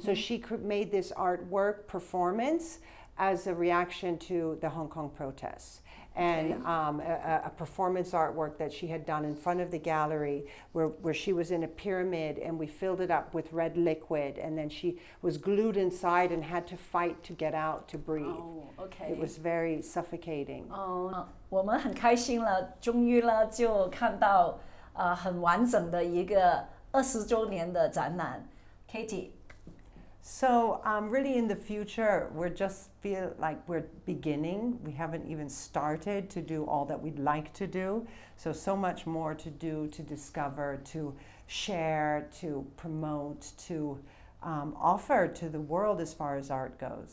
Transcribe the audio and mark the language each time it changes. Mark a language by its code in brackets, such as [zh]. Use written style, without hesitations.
[en] So she made this artwork performance as a reaction to the Hong Kong protests. And a performance artwork that she had done in front of the gallery where she was in a pyramid and we filled it up with red liquid and then she was glued inside and had to fight to get out to breathe. Oh, okay. It was very suffocating. [zh] Oh, 我们很开心了，终于了就看到很完整的一个20周年的展览。 [en] Katie. So really in the future, we just feel like we're beginning. We haven't even started to do all that we'd like to do. So much more to do, to discover, to share, to promote, to offer to the world as far as art goes.